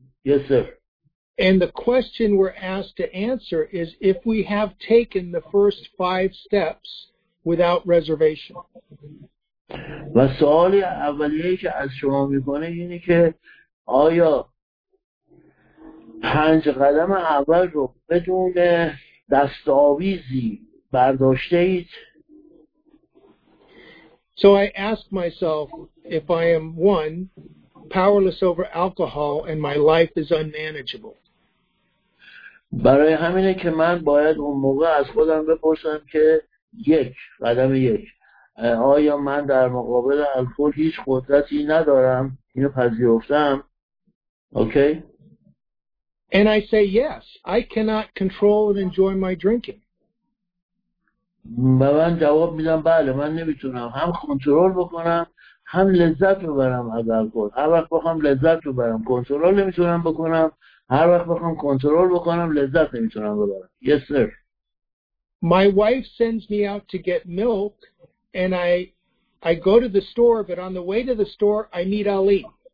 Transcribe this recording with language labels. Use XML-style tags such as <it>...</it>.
<en>Yes, sir. And the question we're asked to answer is if we have taken the first 5 steps without reservation.</en> <fa>و سوال اولیه که از شما میکنه اینه که آیا 5 قدم اول رو بدون دستاویزی برداشته اید؟</fa> <en>So I ask myself if I am one, powerless over alcohol and my life is unmanageable.</en> <fa>برای همینه که من باید اون موقع از خودم بپرسم که قدم یک آیا من در مقابل الکل هیچ قدرتی ندارم؟ اینو پذیرفتم.</fa> <en>Okay. And I say yes, I cannot control and enjoy my drinking.</en> <fa>و من جواب میدم بله، من نمیتونم هم کنترل بکنم هم لذت ببرم از الکل. هر وقت بخوام لذت ببرم کنترل نمیتونم بکنم، هر وقت بخوام کنترل بکنم لذت نمیتونم ببرم.</fa> <en>Yes, sir. My wife sends me out to get milk and I go to the store, but on the way to the store I meet Ali.</en>